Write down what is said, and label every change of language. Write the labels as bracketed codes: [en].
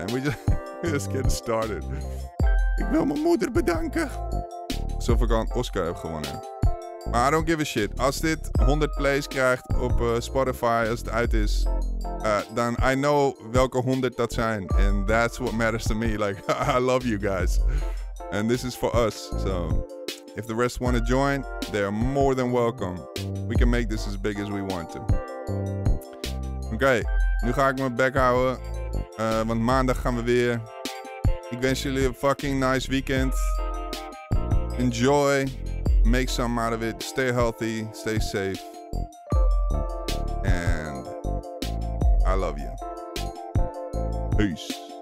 [en] And we just get started. [nl] Ik wil mijn moeder bedanken. Alsof ik al een Oscar heb gewonnen. Maar [en] I don't give a shit. [nl] Als dit 100 plays krijgt op Spotify, als het uit is, dan [en] I know [nl] welke 100 dat zijn. [en] And that's what matters to me. Like, I love you guys. And this is for us. So, if the rest want to join, they are more than welcome. We can make this as big as we want to. [nl] Okay, nu ga ik mijn bek houden. Want maandag gaan we weer. Ik wens jullie een fucking nice weekend. [en] Enjoy. Make some out of it. Stay healthy. Stay safe. And I love you. Peace.